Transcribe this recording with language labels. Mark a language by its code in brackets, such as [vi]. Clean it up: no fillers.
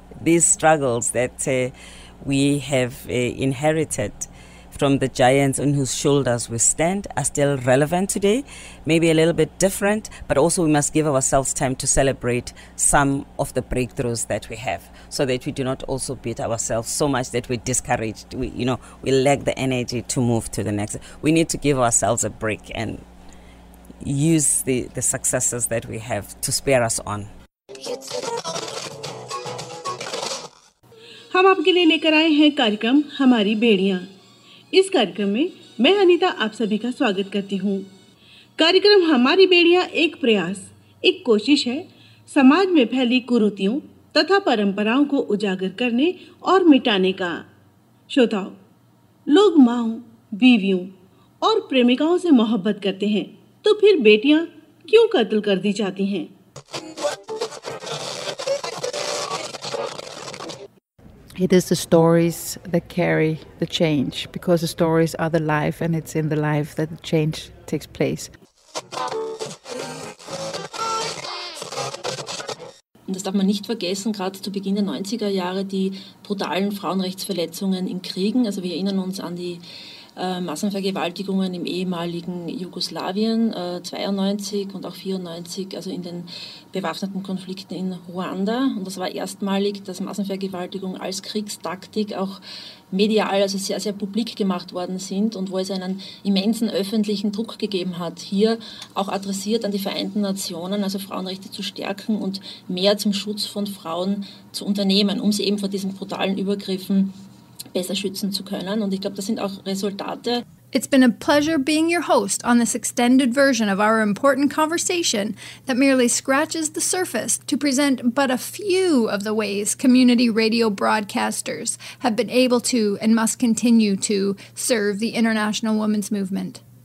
[en] These struggles that we have inherited from the giants on whose shoulders we stand are still relevant today, maybe a little bit different, but also we must give ourselves time to celebrate some of the breakthroughs that we have so that we do not also beat ourselves so much that we're discouraged, we lack the energy to move to the next. We need to give ourselves a break and use the successes that we have to spare us on. [hi] हम आपके लिए लेकर आए हैं कार्यक्रम हमारी बेड़ियां। इस कार्यक्रम में मैं अनीता आप सभी का स्वागत करती हूं। कार्यक्रम हमारी बेड़ियां एक प्रयास, एक कोशिश है समाज में फैली कुरीतियों तथा परंपराओं को उजागर करने और मिटाने का। श्रोताओं, लोग माओं, बीवियों और प्रेमिकाओं से मोहब्बत करते हैं तो फिर बेटियां क्यों कत्ल कर दी जाती हैं? [en] It is the stories that carry the change, because the stories are the life, and it's in the life that the change takes place. [de] Und das darf man nicht vergessen, gerade zu Beginn der 90er Jahre, die brutalen Frauenrechtsverletzungen in Kriegen. Also wir erinnern uns an die Massenvergewaltigungen im ehemaligen Jugoslawien 92 und auch 94, also in den bewaffneten Konflikten in Ruanda. Und das war erstmalig, dass Massenvergewaltigung als Kriegstaktik auch medial, also sehr, sehr publik gemacht worden sind und wo es einen immensen öffentlichen Druck gegeben hat, hier auch adressiert an die Vereinten Nationen, also Frauenrechte zu stärken und mehr zum Schutz von Frauen zu unternehmen, um sie eben vor diesen brutalen Übergriffen besser schützen zu können. Und ich glaube, das sind auch Resultate. [en] It's been a pleasure being your host on this extended version of our important conversation that merely scratches the surface to present but a few of the ways community radio broadcasters have been able to and must continue to serve the international women's movement.